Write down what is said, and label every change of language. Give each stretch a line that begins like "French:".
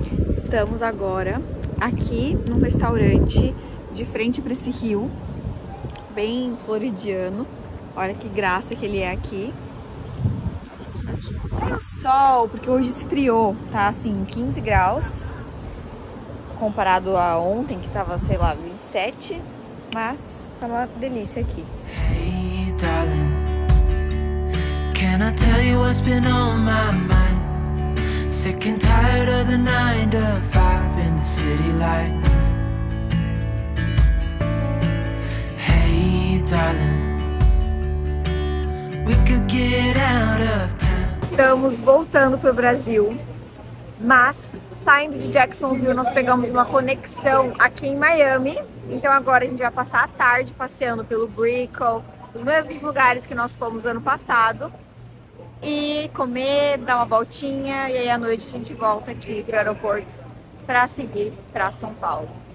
Portuguese: Estamos agora aqui num restaurante de frente para esse rio, bem floridiano. Olha que graça que ele é aqui. Sai o sol, porque hoje esfriou, tá assim, 15 graus. Comparado a ontem, que tava, sei lá, 27, mas tá uma delícia aqui.
English: Hey, darling, can I tell you what's been on my mind? Sick and tired of the 9-to-5 in the city light. Hey, darling, we could get out of town.
Portuguese: Estamos voltando pro Brasil. Mas, saindo de Jacksonville, nós pegamos uma conexão aqui em Miami. Então agora a gente vai passar a tarde passeando pelo Brickell, os mesmos lugares que nós fomos ano passado. E comer, dar uma voltinha, e aí à noite a gente volta aqui pro aeroporto para seguir para São Paulo.